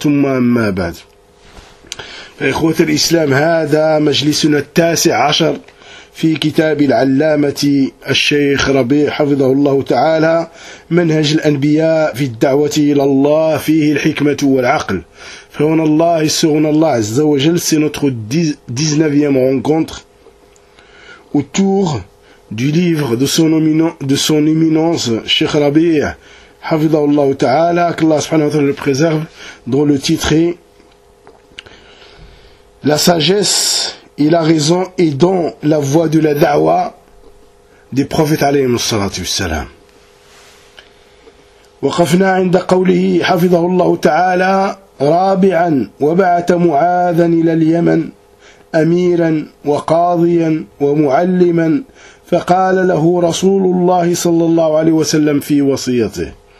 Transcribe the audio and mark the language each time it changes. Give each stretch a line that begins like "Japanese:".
Arabic: ثم أما بعد، فإخوة الإسلام، هذا مجلسنا 19 في كتاب العلامة الشيخ ربيع حفظه الله تعالى، منهج الأنبياء في الدعوة إلى الله، فيه الحكمة والعقل. فهنا الله سبحان الله عز وجل سنتخو
French: 19e rencontre autour du livre de son éminence Cheikh Rabi' Hafidhahullah Ta'ala, que Allah subhanahu wa ta'ala le préserve, dont le titre est La sagesse et la raison et dans la voie de la da'wa des prophètes alayhim salatu wassalam.
Arabic: وقفنا عند قوله حفظه الله تعالى رابعا وبعث معاذا إلى اليمن أميرا وقاضيا ومعلما، فقال له رسول الله صلى الله عليه وسلم في وصيته